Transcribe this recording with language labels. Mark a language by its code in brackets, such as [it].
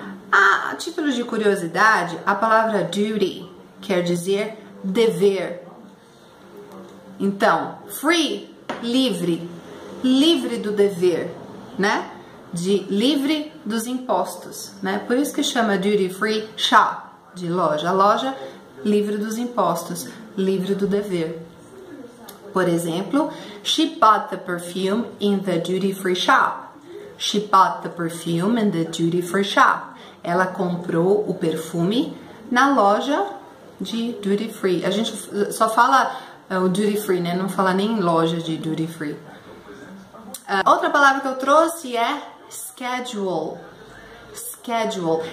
[pt] A título de curiosidade, a palavra duty quer dizer dever. Então, free, livre, livre do dever, né? De livre dos impostos, né? Por isso que chama duty free shop, de loja. Loja, livre dos impostos, livre do dever. Por exemplo, [en] she bought the perfume in the duty free shop. She bought the perfume in the duty free shop. [pt] Ela comprou o perfume na loja de duty free. A gente só fala o duty free, né? Não fala nem loja de duty free. Outra palavra que eu trouxe é schedule. Schedule.